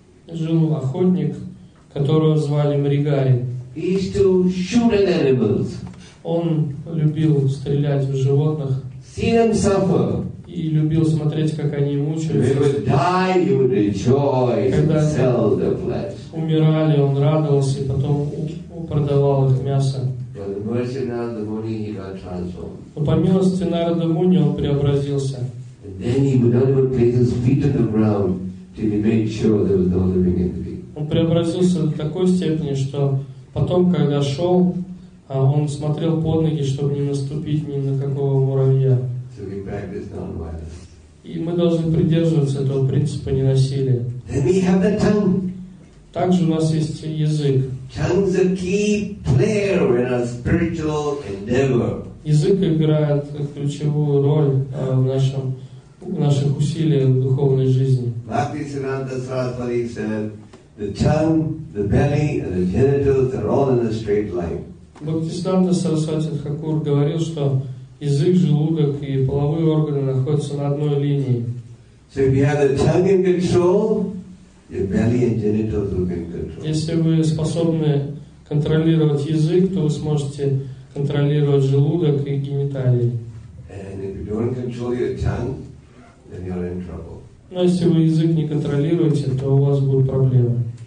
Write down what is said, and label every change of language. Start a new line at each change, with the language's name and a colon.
Russian: Жил охотник, которого звали Мригари.
English: He used to shoot at animals.
Russian: Он любил стрелять в животных.
English: See them suffer.
Russian: И любил смотреть, как они мучаются.
English: They would die, he would rejoice and sell the flesh.
Russian: Умирали, он радовался и потом продавал их мясо.
English: But the mercy of Narada Muni, he got transformed.
Russian: Но по милости Нарада Муни он преобразился.
English: And then he would not even place his feet on the ground till he made sure there was no living entity.
Russian: Он преобразился до такой степени, что потом, когда шел, он смотрел под ноги, чтобы не наступить ни на какого муравья.
English: So we practice non-violence.
Russian: И мы должны придерживаться этого принципа ненасилия.
English: Then we have the tongue.
Russian: Также у нас есть язык.
English: Tongue's a key player in our spiritual endeavor.
Russian: Язык играет ключевую роль в наших усилиях в духовной жизни.
English: Bhaktisiddhanta Saraswati said, the tongue, the belly, and the genitals are all in a straight line.
Russian: Бхактисиддханта Сарасвати Тхакур говорил, что язык, желудок и половые органы находятся на одной линии.
English: So if you have the tongue in control, your belly and genitals will be in control.
Russian: Если вы способны контролировать язык, то вы сможете контролировать желудок и гениталии.
English: And if you don't control your tongue, then you're in trouble.
Russian: Но если вы язык не контролируете, то у вас будут проблемы.